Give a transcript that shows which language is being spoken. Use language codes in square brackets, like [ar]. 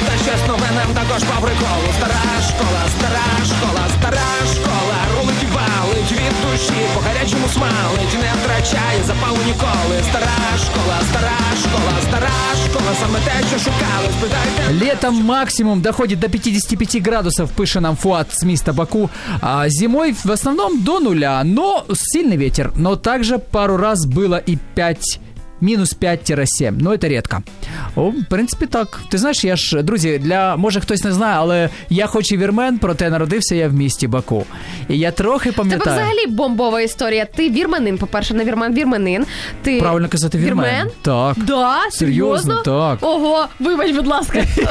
[uk] Та щось нове нам також по приколу. Стара школа, стара школа, стара школа, рулить валить, від душі по гарячому смалить. Не втрачає запалу ніколи. Стара школа, стара школа, стара школа, саме те, що шукали, спитайте. Літом максимум доходить до 55 градусів, пише нам Фуат з міста Баку. [ru] А зимой в основном до нуля, но сильный ветер, но также пару раз было и 5, минус 5-7, но это редко. [uk] О, в принципе, так. [ru] Ты знаешь, [uk] я ж, друзі, для, може, хтось не знає, але я хоч і вірмен, проте народився я в місті Баку. І я трохи пам'ятаю. Це взагалі бомбова історія. Ти вірменин, по-перше, не вірмен, вірменин. Ти... Правильно казати вірмен. Вірмен? Так. Да? Серйозно? Так. Ого, вибач, будь ласка.